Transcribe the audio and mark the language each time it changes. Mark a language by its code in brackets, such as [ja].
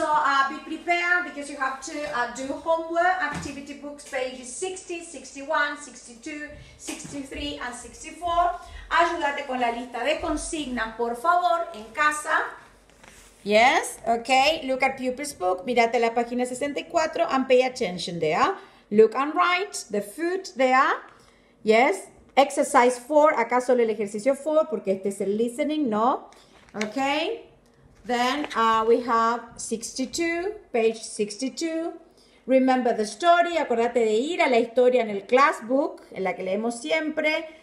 [en] So be prepared because you have to do homework, activity books, pages 60, 61, 62, 63 and 64. [es] Ayúdate con la lista de consignas, por favor, en casa. [en] Yes, okay, look at pupil's book, [es] mirate la página 64 [en] and pay attention there. Look and write the food there. Yes, exercise 4, [es] acá solo el ejercicio 4 porque este es el listening, ¿no? [en] Okay. Then we have 62, page 62. Remember the story. [es] Acuérdate de ir a la historia en el class book, en la que leemos siempre.